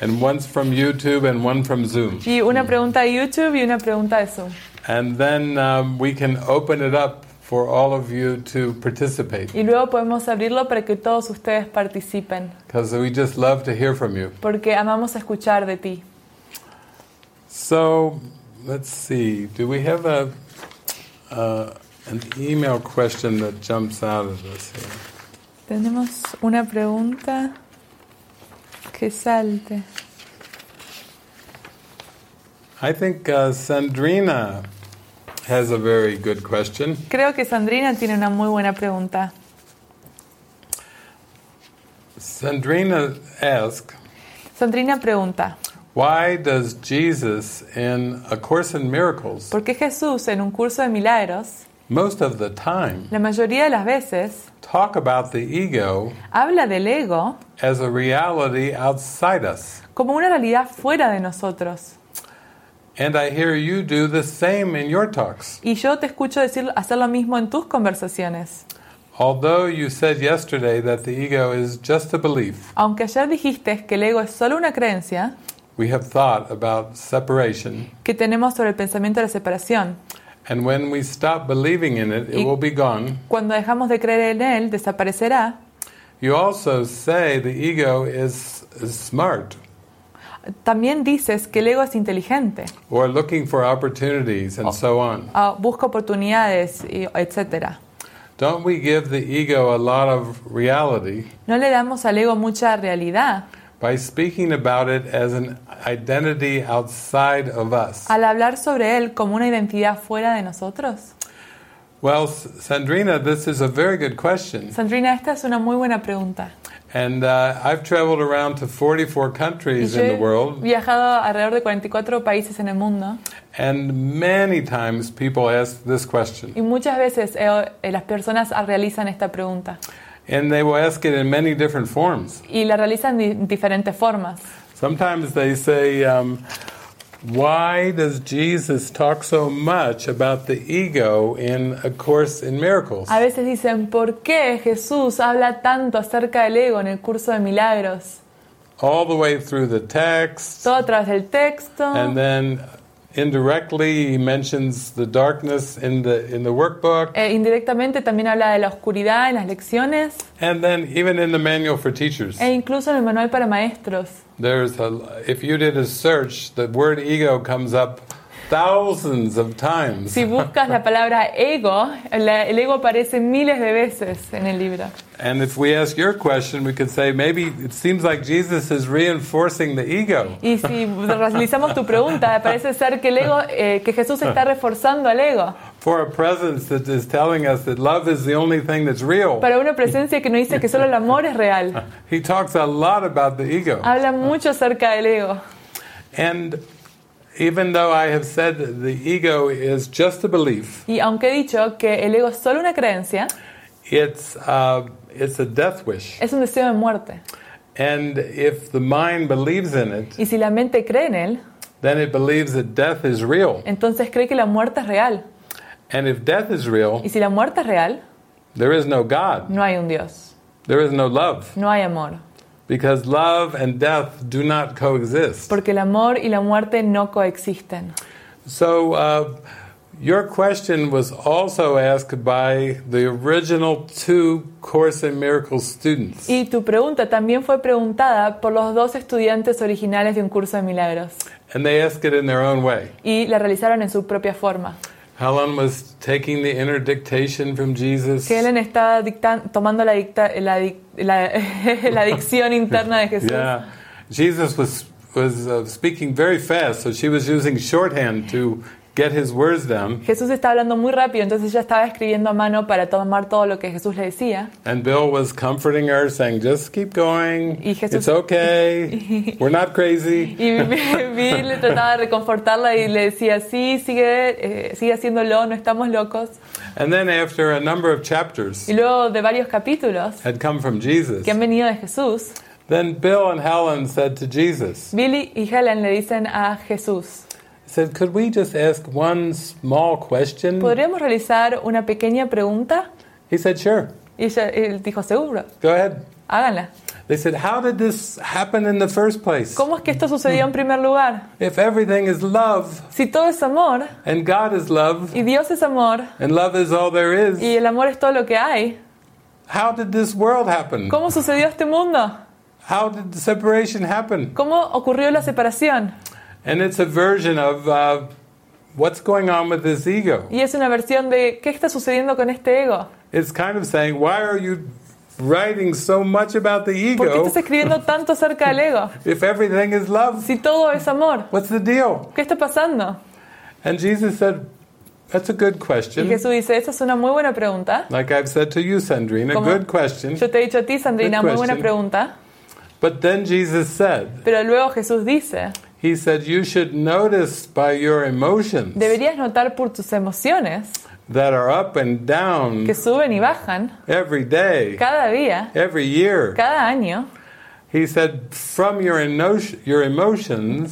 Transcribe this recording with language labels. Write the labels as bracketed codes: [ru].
[en] And one's from YouTube and one from Zoom. [es] Y una pregunta de YouTube y una pregunta de Zoom. [en] And then we can open it up for all of you to participate. [es] Y luego podemos abrirlo para que todos ustedes participen. [en] Because we just love to hear from you. [es] Porque amamos escuchar de ti. [en] So, let's see. Do we have an email question that jumps out at us here? [es] Tenemos una pregunta que salte. [en] I think Sandrina has a very good question. [es] Creo que Sandrina tiene una muy buena pregunta. [en] Sandrina asks. [es] Sandrina pregunta. [en] Why does Jesus in A Course in Miracles? [es] ¿Por qué Jesús en un curso de milagros? [en] Most of the time. [es] La mayoría de las veces. [en] Talk about the ego. [es] Habla del ego. [en] As a reality outside us. [es] Como una realidad fuera de nosotros. [en] And I hear you do the same in your talks. [es] Y yo te escucho decir hacer lo mismo en tus conversaciones. [en] Although you said yesterday that the ego is just a belief. [es] Aunque ayer dijiste que el ego es solo una creencia. [en] We have thought about separation. [es] Que tenemos sobre el pensamiento de la separación. [en] And when we stop believing in it, it will be gone. [es] Cuando dejamos de creer en él, desaparecerá. [en] You also say the ego is smart. [es] También dices que el ego es inteligente. [en] Or looking for opportunities and so on. [es] Busca oportunidades, etc. [en] Don't we give the ego a lot of reality? [es] No le damos al ego mucha realidad. [en] By speaking about it as an identity outside of us. [es] Al hablar sobre él como una identidad fuera de nosotros. [en] Well, Sandrina, this is a very good question. [es] Sandrina, esta es una muy buena pregunta. [en] And I've traveled around to 44 countries in the world. [es] He viajado alrededor de 44 países en el mundo. [en] And many times people ask this question. [es] Y muchas veces las personas realizan esta pregunta. [en] And they will ask it in many different forms. [es] Y la realizan en diferentes formas. [en] Sometimes they say, why does Jesus talk so much about the ego in A Course in Miracles? [es] A veces dicen, ¿por qué Jesús habla tanto acerca del ego en el curso de milagros? [en] All the way through the text. [es] Todo a través del texto. [en] And then indirectly he mentions the darkness in the workbook. [es] Indirectamente también habla de la oscuridad en las lecciones. [en] And then even in the manual for teachers. [es] E incluso en el manual para maestros. [en] If you did a search, the word ego comes up thousands of times. [es] Si buscas la palabra ego, el ego aparece miles de veces en el libro. [en] And if we ask your question, we could say maybe it seems like Jesus is reinforcing the ego. [es] Y si realizamos tu pregunta, parece ser que el ego, que Jesús está reforzando al ego. [en] For a presence that is telling us that love is the only thing that's real. [es] Para una presencia que nos dice que solo el amor es real. [en] He talks a lot about the ego. [es] Habla mucho acerca del ego. [en] And even though I have said the ego is just a belief. [es] Y aunque he dicho que el ego es solo una creencia. [en] It's a death wish. [es] Es un deseo de muerte. [en] And if the mind believes in it. [es] Y si la mente cree en él. [en] Then it believes that death is real. [es] Entonces cree que la muerte es real. [en] And if death is real. [es] Y si la muerte es real. [en] There is no God. [es] No hay un Dios. [en] There is no love. [es] No hay amor. [en] Because love and death do not coexist. [es] Porque el amor y la muerte no coexisten. [en] So, your question was also asked by the original two Course in Miracles students. [es] Y tu pregunta también fue preguntada por los dos estudiantes originales de un curso de milagros. [en] And they asked it in their own way. [es] Y la realizaron en su propia forma. [en] Helen was taking the inner dictation from Jesus. [es] Helen estaba tomando la dicción interna de Jesús. [en] Yeah, Jesus was speaking very fast, so she was using shorthand to get his words down. [es] Jesús estaba hablando muy rápido, entonces ella estaba escribiendo a mano para tomar todo lo que Jesús le decía. [en] And Bill was comforting her, saying, "Just keep going. [es] Jesús, [en] it's okay. We're not crazy." [es] Y Bill trataba de reconfortarla y le decía, "Sí, sigue haciéndolo. No estamos locos." [en] And then, after a number of chapters, [es] y luego de varios capítulos, [en] had come from Jesus, [es] que han venido de Jesús. [en] Then Bill and Helen said to Jesus, [es] Bill y Helen le dicen a Jesús. [en] Said, could we just ask one small question? [es] ¿Podríamos realizar una pequeña pregunta? [en] He said, sure. [es] Y él dijo, seguro. [en] Go ahead. [es] Háganla. [en] They said, how did this happen in the first place? [es] ¿Cómo es que esto sucedió en primer lugar? [en] If everything is love. [es] Si todo es amor. [en] And God is love. [es] Y Dios es amor. [en] And love is all there is. [es] Y el amor es todo lo que hay. [en] How did this world happen? [es] ¿Cómo sucedió este mundo? [en] How did the separation happen? [es] ¿Cómo ocurrió la separación? [en] And it's a version of what's going on with this ego. [es] Y es una versión de qué está sucediendo con este ego. [en] It's kind of saying, why are you writing so much about the ego? [es] ¿Por qué estás escribiendo tanto acerca del ego? [en] If everything is love. [es] Si todo es amor. [en] What's the deal? [es] ¿Qué está pasando? [en] And Jesus said, that's a good question. [es] Y Jesús dice, esa es una muy buena pregunta. [en] Like I've said to you, Sandrina, good question. [es] Yo te he dicho a ti, Sandrina, muy buena pregunta. [en] But then Jesus said, [es] pero luego Jesús dice, [en] he said, you should notice by your emotions, [es] deberías notar por tus emociones, [en] that are up and down, [es] que suben y bajan, [en] every day, [es] cada día, [en] every year, [es] cada año. [en] He said, from your emotions,